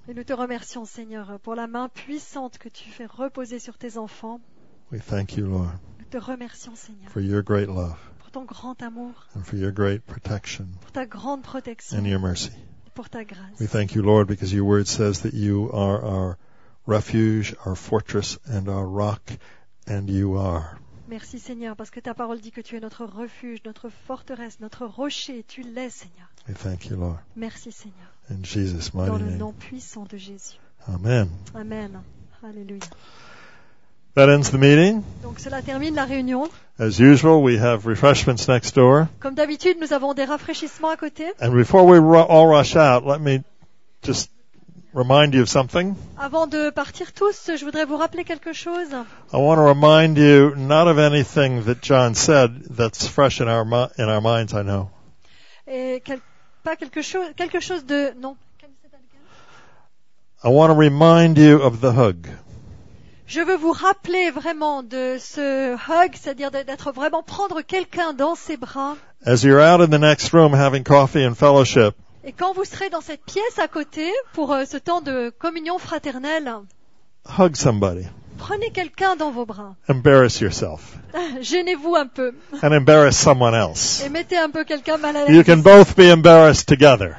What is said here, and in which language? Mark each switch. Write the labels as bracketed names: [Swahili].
[French] Et nous te remercions, Seigneur, pour la main puissante que tu fais reposer sur tes enfants. [English] We thank you, Lord. [French] Nous te remercions, Seigneur. [English] For your great love. [French] Pour ton grand amour. [English] And for your great protection. [French] Pour ta grande protection. [English] And your mercy. [French] Pour ta grâce. [English] We thank you, Lord, because your word says that you are our refuge, our fortress, and our rock, and you are. [French] Merci, Seigneur, parce que ta parole dit que tu es notre refuge, notre forteresse, notre rocher. Tu l'es, Seigneur. [English] We thank you, Lord. [French] Merci, Seigneur. [English] In Jesus' mighty name. [French] Dans le nom puissant de Jésus. [English] Amen. [French] Amen. Alléluia. [English] That ends the meeting. [French] Donc cela termine la réunion. [English] As usual, we have refreshments next door. [French] Comme d'habitude, nous avons des rafraîchissements à côté. [English] And before we all rush out, let me just remind you of something. [French] Avant de partir tous, je voudrais vous rappeler quelque chose. [English] I want to remind you not of anything that John said that's fresh in our minds, I know. [French] Et pas quelque chose de non. [English] I want to remind you of the hug. [French] Je veux vous rappeler vraiment de ce hug, c'est-à-dire d'être vraiment prendre quelqu'un dans ses bras. [English] As you're out in the next room having coffee and fellowship. [French] Et quand vous serez dans cette pièce à côté pour ce temps de communion fraternelle. [English] Hug somebody. [French] Prenez quelqu'un dans vos bras. [English] Embarrass yourself. [French] Gênez-vous un peu. [English] And embarrass someone else. [French] Et mettez un peu quelqu'un mal à l'aise. [English] You can both be embarrassed together.